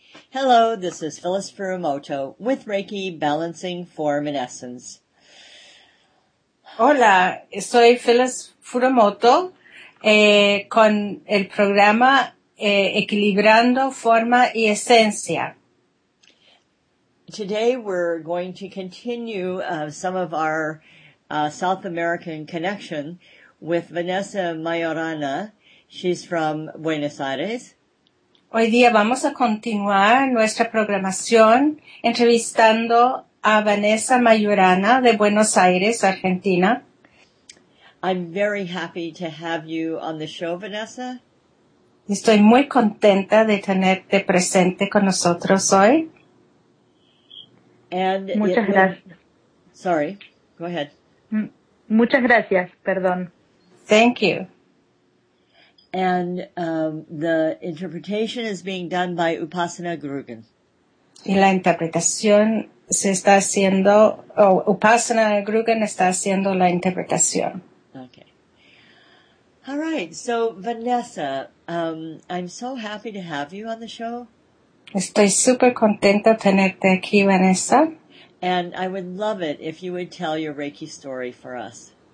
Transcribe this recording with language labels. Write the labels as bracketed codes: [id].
[en] Hello, this is Phyllis Furumoto with Reiki Balancing Form and Essence. [es] Hola, soy Phyllis Furumoto con el programa Equilibrando Forma y Esencia. [en] Today we're going to continue some of our South American connection with Vanessa Mayorana. She's from Buenos Aires. [es] Hoy día vamos a continuar nuestra programación entrevistando a Vanessa Mayorana de Buenos Aires, Argentina. [en] I'm very happy to have you on the show, Vanessa. [es] Estoy muy contenta de tenerte presente con nosotros hoy. And muchas gracias. [en] Sorry, go ahead. [es] Muchas gracias, perdón. [en] Thank you. And the interpretation is being done by Upasana Gurugan. [es] Y la interpretación se está haciendo, Upasana Gurugan está haciendo la interpretación. [en] Okay. All right. So, Vanessa, I'm so happy to have you on the show. [es] Estoy súper contenta de tenerte aquí, Vanessa. [en] And I would love it if you would tell your Reiki story for us.